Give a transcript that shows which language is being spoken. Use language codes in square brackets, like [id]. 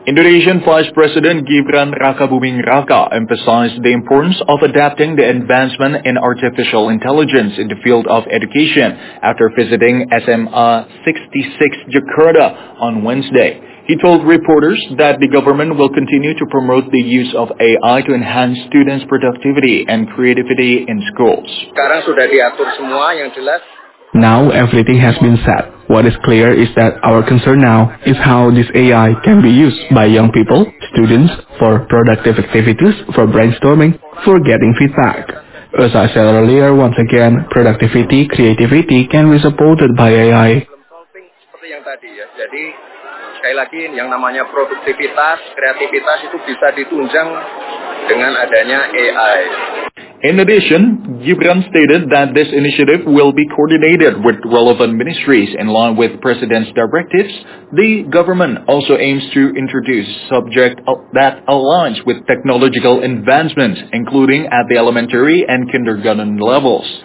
[en] Indonesian Vice President Gibran Rakabuming Raka emphasized the importance of adapting the advancement in artificial intelligence in the field of education after visiting SMA 66 Jakarta on Wednesday. He told reporters that the government will continue to promote the use of AI to enhance students' productivity and creativity in schools. [id] Sekarang sudah diatur semua yang jelas. [en] Now everything has been said. What is clear is that our concern now is how this AI can be used by young people, students, for productive activities, for brainstorming, for getting feedback. As I said earlier, once again, productivity, creativity can be supported by AI. [id] Sekali lagi yang namanya produktivitas, kreativitas itu bisa ditunjang dengan adanya AI. [en] In addition, Gibran stated that this initiative will be coordinated with relevant ministries in line with President's directives. The government also aims to introduce subject that aligns with technological advancements, including at the elementary and kindergarten levels.